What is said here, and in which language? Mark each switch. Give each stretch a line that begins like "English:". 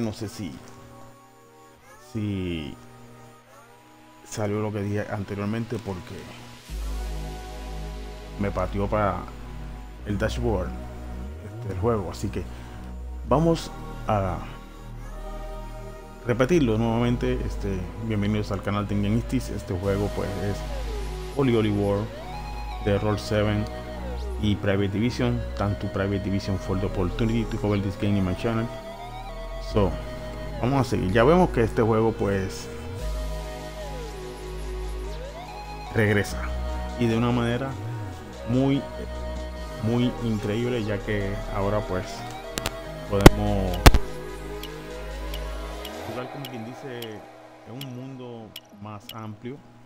Spanish: No sé si salió lo que dije anteriormente porque me pateó para el dashboard del juego. Así que vamos a repetirlo nuevamente. Bienvenidos al canal de InGameStis. Este juego pues es OlliOlli World de Roll 7 y Private Division.
English: Thank to Private Division for the opportunity to cover this game in my channel.
Spanish: So, vamos a seguir. Ya vemos que este juego pues regresa, y de una manera muy increíble, ya que ahora pues podemos jugar, como quien dice, en un mundo más amplio.